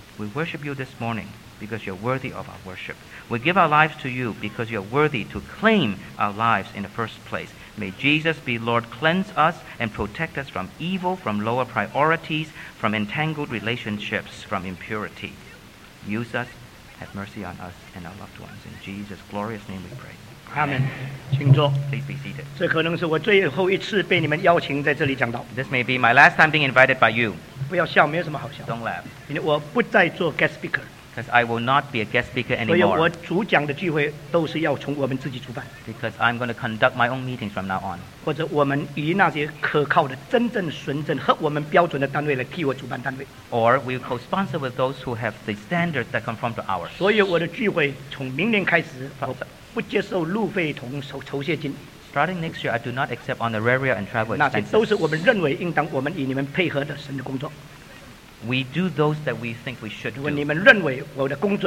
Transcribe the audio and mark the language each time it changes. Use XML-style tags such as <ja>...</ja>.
<en>We worship you this morning because you're worthy of our worship. We give our lives to you because you're worthy to claim our lives in the first place. May Jesus be Lord, cleanse us and protect us from evil, from lower priorities, from entangled relationships, from impurity. Use us, have mercy on us and our loved ones. In Jesus' glorious name we pray. Amen. Please be seated.</en> <zh>这可能是我最后一次被你们邀请在这里讲道。</zh> <en>This may be my last time being invited by you.</en> <zh>不要笑, 没有什么好笑。</zh> <en>Don't laugh.</en> <zh>因为我不再做 guest speaker.</zh> <en>Because I will not be a guest speaker anymore.</en> <zh>所以我主讲的聚会都是要从我们自己主办。</zh> <en>Because I'm going to conduct my own meetings from now on.</en> <zh>或者我们以那些可靠的真正纯正和我们标准的单位来替我主办单位。</zh> <en>Or we co-sponsor with those who have the standards that conform to ours.</en> <zh>所以我的聚会从明年开始 不接受路费同酬谢金。</zh> <en>Starting next year, I do not accept honoraria and travel expenses.</en> <zh>那些都是我们认为应当我们与你们配合的神的工作。</zh> <en>We do those that we think we should do.</en>